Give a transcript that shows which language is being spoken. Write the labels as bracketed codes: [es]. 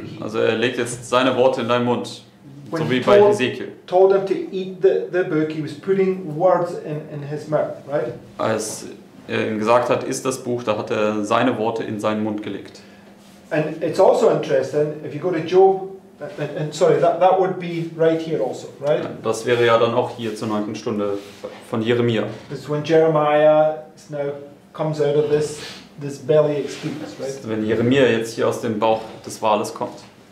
[de] Also legt jetzt seine Worte in deinen Mund. So wie bei Ezekiel. [en] Told him to eat the book, he was putting words in his mouth, right? [de] Als er ihm gesagt hat, iss das Buch, da hat er seine Worte in seinen Mund gelegt. [en] And it's also interesting, if you go to Job, and sorry, that would be right here also, right? [de] Das wäre ja dann auch hier zur 9. Stunde von Jeremia. [en] It's when Jeremiah is now comes out of this belly experience, right? [de] Wenn Jeremia jetzt hier aus dem Bauch des Wales kommt.